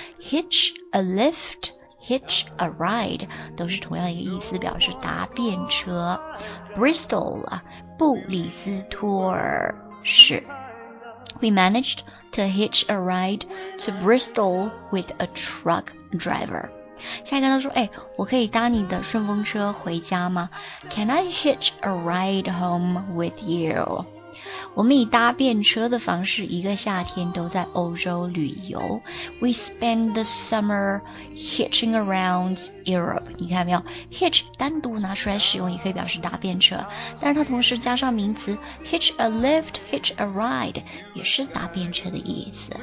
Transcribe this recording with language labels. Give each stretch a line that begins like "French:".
English: Hitch a lift. Hitch a ride
Chinese: 都是同样一个意思，表示搭便车。 Bristol 布里斯托尔市。
English: We managed to hitch a ride to Bristol with a truck driver.
Chinese: 下一个他说哎，我可以搭你的顺风车回家吗？
English: Can I hitch a ride home with you?
Chinese: 我们以搭便车的方式一个夏天都在欧洲旅游。
English: We spend the summer hitching around Europe.
Chinese: 你看没有， hitch 单独拿出来使用也可以表示搭便车，但是它同时加上名词
English: hitch a lift, hitch a ride
Chinese: 也是搭便车的意思。